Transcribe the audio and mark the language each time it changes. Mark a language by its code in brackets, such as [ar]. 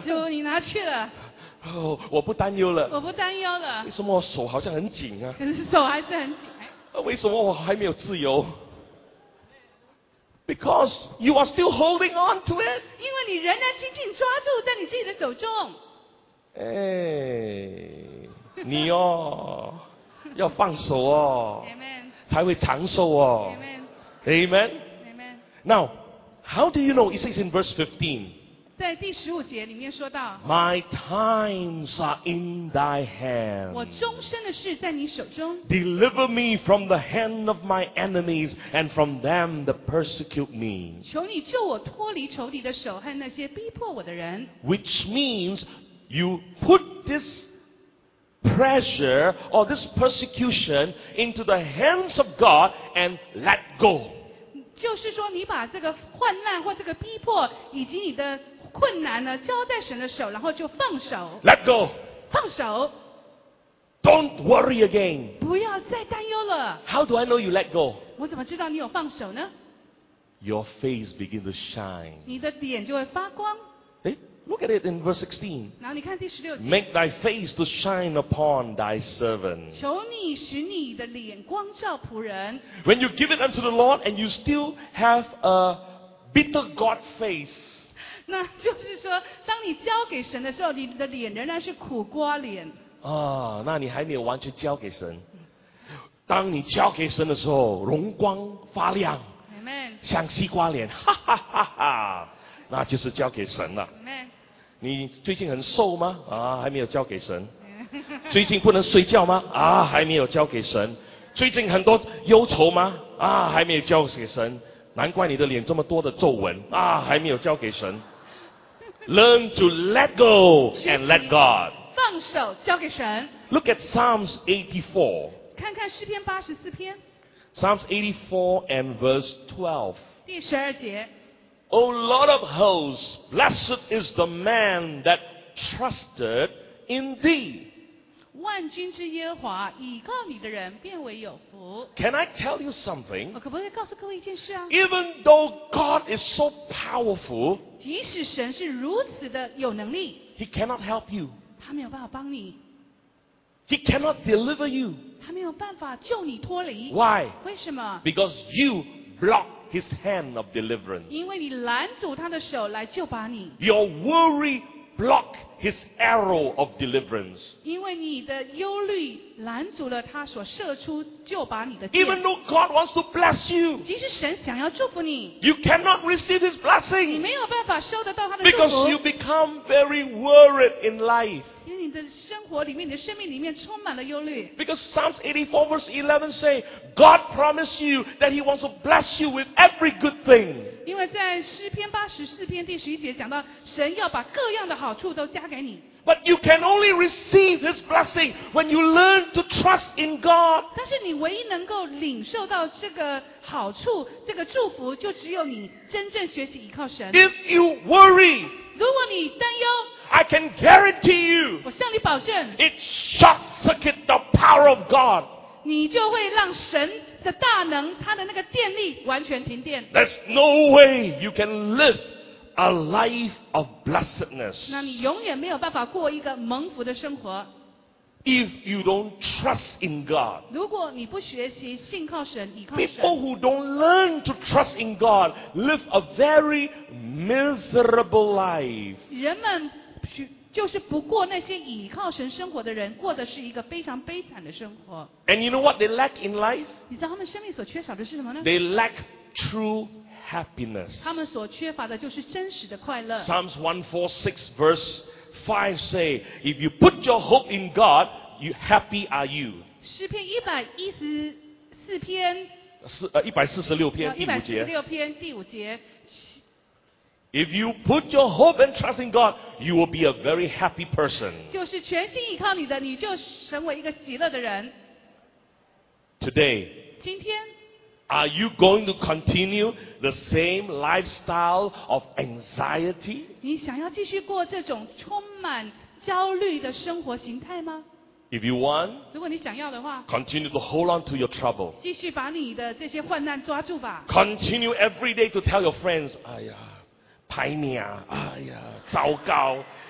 [zh] 主，你拿去了。哦，我不担忧了。我不担忧了。为什么我手好像很紧啊？可是手还是很紧。为什么我还没有自由？ [en] Because you are still holding on to it. [zh] 因为你仍然紧紧抓住在你自己的手中。哎，你哦，要放手哦。 [en] Amen. [zh] 才会长寿哦。 [en] Amen. Amen. Amen. Now, how do you know? It says in verse 15. [zh] 在第十五节里面说到。 [en] My times are in thy hand. [zh] 我终身的事在你手中。 [en] Deliver me from the hand of my enemies and from them that persecute me. [zh] 求你救我脱离仇敌的手和那些逼迫我的人。 [en] Which means you put this pressure or this persecution into the hands of God and let go. [zh] 就是说你把这个患难或这个逼迫以及你的困难呢，交在神的手，然后就放手。 [en] Let go. [zh] 放手。 [en] Don't worry again. [zh] 不要再担忧了。 [en] How do I know you let go? [zh] 我怎么知道你有放手呢？ [en] Your face begins to shine. [zh] 你的脸就会发光。 [en] 诶 look at it in verse 16. [zh] 然后你看第十六节。 [en] Make thy face to shine upon thy servant. [zh] 求你使你的脸光照仆人。 [en] When you give it unto the Lord and you still have a bitter God face. [zh] 那就是说当你交给神的时候你的脸仍然是苦瓜脸啊、哦，那你还没有完全交给神当你交给神的时候容光发亮、 [en] Amen. [zh] 像西瓜脸哈哈哈哈那就是交给神了、 [en] Amen. [zh] 你最近很瘦吗啊，还没有交给神最近不能睡觉吗啊，还没有交给神最近很多忧愁吗啊，还没有交给神难怪你的脸这么多的皱纹啊，还没有交给神。 [en] Learn to let go and let God. [zh] 放手交给神。 [en] Look at Psalms 84. [zh] 看看诗篇84篇。 [en] Psalms 84 and verse 12. [zh] 第十二节。 [en] O Lord of hosts, blessed is the man that trusted in thee. [zh] 万军之耶和华倚靠你的人变为有福 [en] Can I tell you something? [zh] 我可不可以告诉各位一件事啊 [en] Even though God is so powerful [zh] 即使神是如此的有能力 [en] He cannot help you [zh] 他没有办法帮你 [en] He cannot deliver you [zh] 他没有办法救你脱离 [en] Why? [zh] 为什么 [en] Because you block his hand of deliverance [zh] 因为你拦阻他的手来救拔你 [en] Your worryblock his arrow of deliverance [zh] 因为你的忧虑拦阻了他所射出就把你的箭 [en] even though God wants to bless you [zh] 即使神想要祝福你 [en] you cannot receive his blessing [zh] 你没有办法收得到他的祝福 [en] because you become very worried in life [zh] 因为你的生活里面你的生命里面充满了忧虑 [en] because Psalms 84 verse 11 say God promised you that he wants to bless you with every good thing [zh] 因为在诗篇八十四篇第十一节讲到神要把各样的好处都加给你 [en] But you can only receive his blessing when you learn to trust in God [zh] 但是你唯一能够领受到这个好处这个祝福就只有你真正学习依靠神 [en] If you worry [zh] 如果你担忧 [en] I can guarantee you [zh] 我向你保证 [en] It short circuit the power of God [zh] 你就会让神的大能他的那个电力完全停电 [en] There's no way you can live a life of blessedness [zh] 那你永远没有办法过一个蒙福的生活 [en] If you don't trust in God [zh] 如果你不学习信靠神倚靠神 [en] People who don't learn to trust in God live a very miserable life [zh] 人们就是不过那些倚靠神生活的人过的是一个非常悲惨的生活 [en] And you know what they lack in life? [zh] 你知道他们生命所缺少的是什么呢 [en] They lack true happiness [zh] 他们所缺乏的就是真实的快乐 [en] Psalms 146 verse 5 say If you put your hope in God you happy are you [zh] 诗篇114篇 146篇第五节 146篇第五节 [en] If you put your hope and trust in God, you will be a very happy person. [zh] 就是全心依靠你的，你就成为一个喜乐的人。 [en] Today, [zh] 今天 [en] are you going to continue the same lifestyle of anxiety? [zh] 你想要继续过这种充满焦虑的生活形态吗？ [en] If you want, [zh] 如果你想要的话 [en] continue to hold on to your trouble. [zh] 继续把你的这些患难抓住吧。 [en] Continue every day to tell your friends, [zh] 哎呀。排命哎呀糟糕